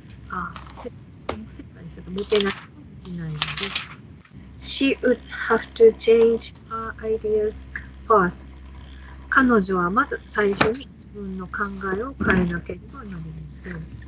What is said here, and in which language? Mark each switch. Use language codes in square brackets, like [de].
[ja] あ、セッターにしたらもてなしできないので。 [en] She would have to change her ideas first. [ja] 彼女はまず最初に自分の考えを変えなければなりません。